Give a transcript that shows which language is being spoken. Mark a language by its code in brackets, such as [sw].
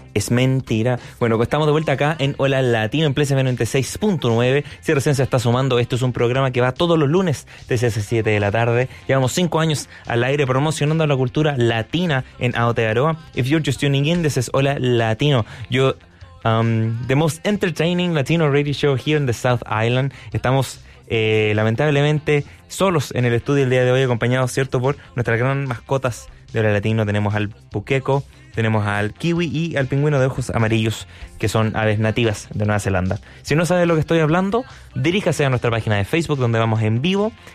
[es] Mentira. Bueno, pues estamos de vuelta acá en Hola Latino, en Plaza 96.9. Si recién se está sumando, esto es un programa que va todos los lunes desde las 7 de la tarde. Llevamos 5 años al aire promocionando la cultura latina en Aotearoa. [en] If you're just tuning in, this is Hola Latino. The most entertaining Latino radio show here in the South Island. [es] Estamos lamentablemente solos en el estudio el día de hoy, acompañados, ¿cierto?, por nuestras gran mascotas de Hola Latino. Tenemos al Puqueco. Tenemos al kiwi y al pingüino de ojos amarillos, que son aves nativas de Nueva Zelanda. Si no sabes de lo que estoy hablando, diríjase a nuestra página de Facebook, donde vamos en vivo.